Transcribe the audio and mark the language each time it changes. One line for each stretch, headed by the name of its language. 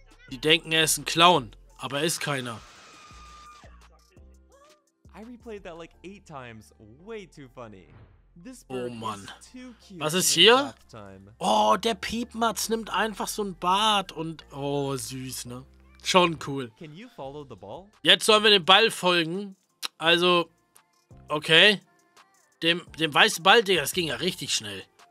German: Die denken, er ist ein Clown, aber er ist keiner.
English: I replayed that like 8 times. Way too funny.
German: Oh Mann. Was ist hier? Oh, der Piepmatz nimmt einfach so ein Bad und... Oh, süß, ne? Schon cool. Jetzt sollen wir dem Ball folgen. Also, okay. Dem weißen Ball, Digga, das ging ja richtig schnell.